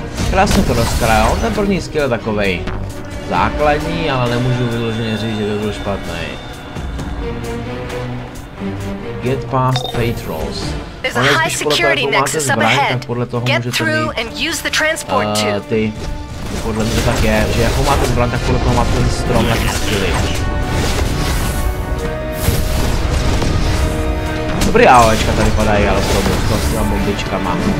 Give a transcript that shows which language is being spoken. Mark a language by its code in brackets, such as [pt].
[cs] Krásně to rozkrájel. On ten první skill je takovej základní, ale nemůžu vyloženě říct, že by byl špatný. [en] Get past patrols. There's a high security nexus up ahead. [cs] Podle toho můžete mít, [en] and use the transport [cs] ty, podle mě tak je, že jako máte zbraň, tak podle toho máte ten strom na ty skilly. Dobrý AOEčka tady padají, ale to s těma bombičkama.